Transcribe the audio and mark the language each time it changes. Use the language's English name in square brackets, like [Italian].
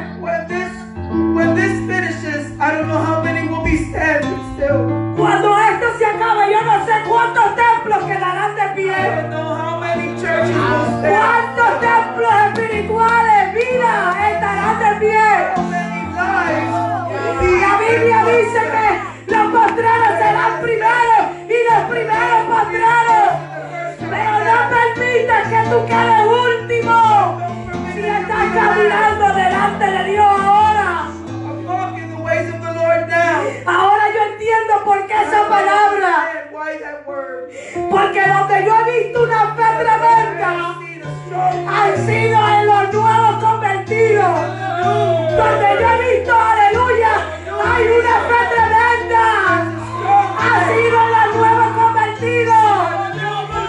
[English] When this finishes, I don't know how many will be standing still. [Spanish] Cuando esto se acabe, yo no sé cuántos templos quedarán de pie. [English] I don't know how many churches will stand. [Spanish] ¿Cuántos templos espirituales, vida, estarán de pie? [English] How many lives? [Spanish] La Biblia dice que los postreros serán primeros y los primeros postreros. Pero no permitas que tú quedes último. Estás caminando delante de Dios ahora. [English] I'm walking the ways of the Lord now. [Spanish] Ahora yo entiendo por qué esa palabra. [English] Why that word? [Spanish] Porque donde yo he visto una fe tremenda, han sido en los nuevos convertidos. Donde yo he visto, aleluya, hay una fe tremenda. Ha sido en los nuevos convertidos.